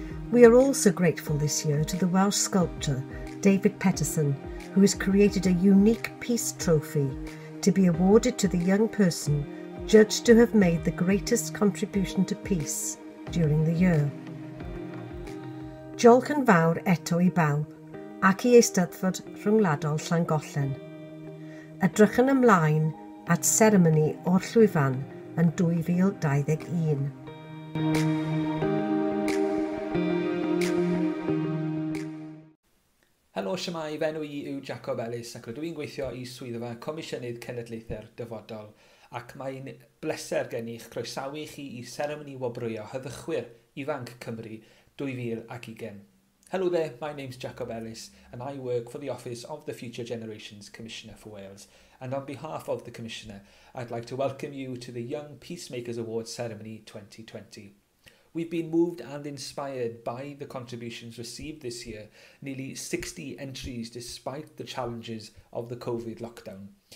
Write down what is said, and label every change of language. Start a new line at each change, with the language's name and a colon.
English: We are also grateful this year to the Welsh sculptor David Petterson, who has created a unique peace trophy to be awarded to the young person judged to have made the greatest contribution to peace during the year.
Welsh: Diolch yn fawr eto I bawb ac I Eisteddfod Rhyngwladol Llangollen. Edrych yn ymlaen at seremoni o'r llwyfan yn 2021. Helo Shemai, fe enw I yw Jacob Ellis ac rydw I'n gweithio I swyddfa Comisiynydd Cenedlaethau'r Dyfodol ac mae'n bleser gen i'ch croesawu chi I seremoni wobrwyo hyddychwyr ifanc Cymru 2020.
English: Hello there, my name's Jacob Ellis and I work for the Office of the Future Generations Commissioner for Wales. And on behalf of the Commissioner, I'd like to welcome you to the Young Peacemakers Awards Ceremony 2020. We've been moved and inspired by the contributions received this year, nearly 60 entries despite the challenges of the COVID lockdown.